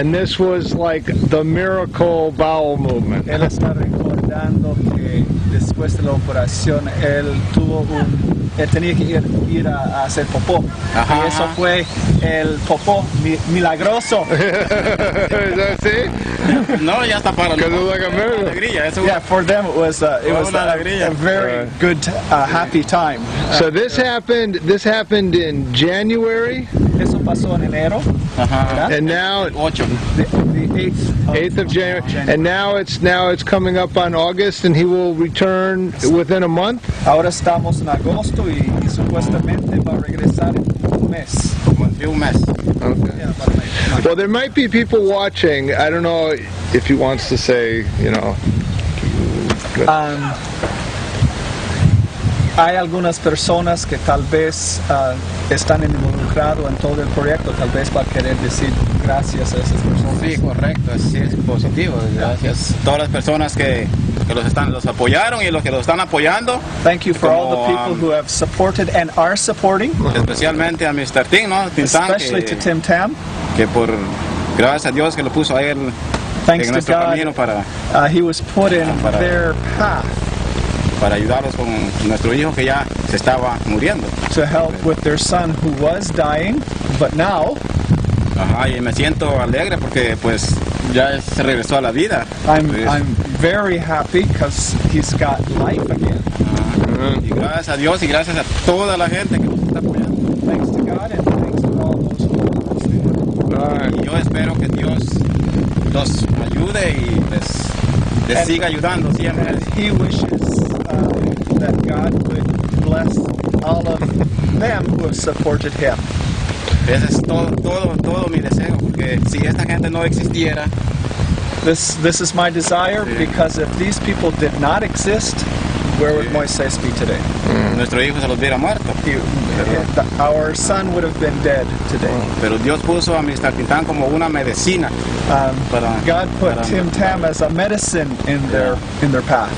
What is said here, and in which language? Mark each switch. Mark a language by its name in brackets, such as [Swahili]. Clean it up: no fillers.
[English] And this was like the miracle bowel movement. [Spanish] Él está recordando que después de la operación él tuvo un... Él tenía que ir a hacer popó. Uh-huh. Y eso fue el popó milagroso. [English] Is that it? [Spanish] No, ya está para [English] mí. Like a miracle. [Spanish] Alegría. [English] Yeah, for them it was a very good, happy time. So this happened in January. [Spanish] Eso pasó en enero. [English] Uh-huh. And now... The 8th of January. And now it's coming up on August, and he will return within a month? [Spanish] Ahora estamos en agosto. Y supuestamente va a regresar en un mes. [English] Okay. Well, there might be people watching. I don't know if he wants to say, you know. [Spanish] Hay algunas personas que tal vez están involucrados en todo el proyecto. Tal vez va a querer decir gracias a esas personas. Sí, correcto. Sí, es positivo. Gracias. Todas las personas que... Los apoyaron y los que los están apoyando. [English] Thank you for all the people who have supported and are supporting. [Spanish] Especialmente a Mr. Ting, ¿no? Tintán, [English] especially to Tim Tam. [Spanish] Que por gracias a Dios que lo puso a él en nuestro camino para. [English] He was put in their path. [Spanish] Para ayudarlos con nuestro hijo que ya se estaba muriendo. [English] To help with their son who was dying, but now. [Spanish] Ajá, y me siento alegre porque pues ya se regresó a la vida. [English] I'm very happy because he's got life again. [Spanish] Y gracias a Dios y gracias a toda la gente que nos está apoyando. [English] Thanks to God and thanks to all those who are listening. [Spanish] Y yo espero que Dios los ayude y les siga ayudando siempre. [English] He wishes that God would bless all of them who have supported him. [Spanish] Ese es todo mi deseo, porque si esta gente no existiera... [English] This is my desire, sí. Because if these people did not exist, where sí. Would Moisés be today? [Spanish] Nuestro hijo se los hubiera muerto. [English] Our son would have been dead today. [Spanish] Pero Dios puso a Mr. Tintán como una medicina. [English] God put Tim Tam as a medicine in their path.